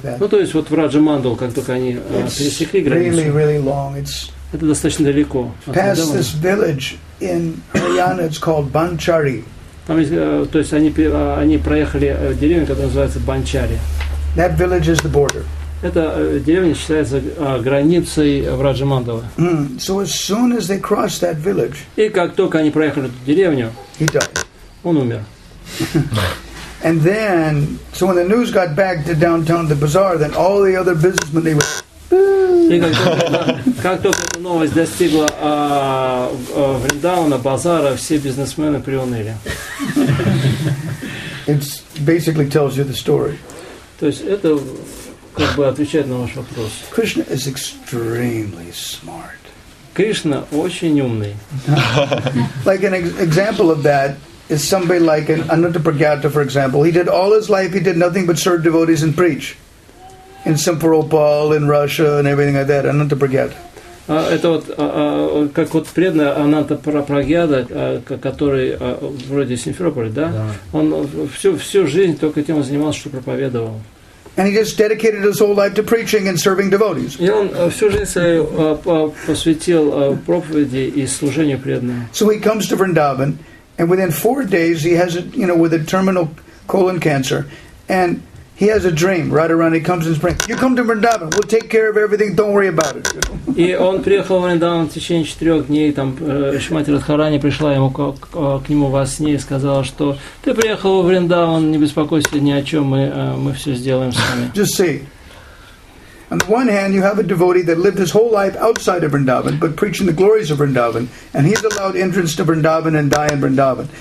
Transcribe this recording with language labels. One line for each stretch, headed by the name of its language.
Russian: То есть вот Враджа Мандал, как только они пересекли границу.
English: Really, really long. It's
Russian: это достаточно далеко.
English: Past this village in Haryana, it's called Banchari.
Russian: Там есть, то есть они проехали деревню, которая называется Банчари.
English: That village is the border.
Russian: Эта деревня считается границей Враджа Мандала. Mm.
English: So as soon as they crossed that village,
Russian: и как только они проехали эту деревню,
English: he died.
Russian: Он умер.
English: And then, so when the news got back to downtown the bazaar, then all the other businessmen they were.
Russian: И как только эта новость достигла Вриндауна, базара, все бизнесмены приуныли.
English: It basically tells you the story.
Russian: То есть это как бы отвечает на ваш вопрос.
English: Krishna is extremely smart.
Russian: Кришна очень умный.
English: Like an example of that is somebody like an Ananta Pragata, for example. He did all his life, he did nothing but serve devotees and preach. In Simferopol, in Russia, and everything like that, Ananta Pragata.
Russian: Это вот как вот преданный Ананта Прагьяда, который вроде Симферополь, да? Он всю жизнь только тем занимался, что проповедовал.
English: And he just dedicated his whole life to preaching and serving devotees.
Russian: И он всю жизнь свою посвятил проповеди и служению преданным.
English: So he comes to Vrindavan, and within 4 days he has with a terminal colon cancer, and he has a dream right around. He comes in spring. You come to Vrindavan. We'll take care of everything. Don't worry about it.
Russian: И он приехал в Вриндаван в течение 4 дней. Там Шримати Радхарани пришла ему к нему во сне и сказала, что ты приехал в Вриндаван, не беспокойся ни о чем, мы все сделаем с вами.
English: Just see. On the one hand, you have a devotee that lived his whole life outside of Vrindavan, but preaching the glories of Vrindavan, and he's allowed entrance to Vrindavan and die in Vrindavan.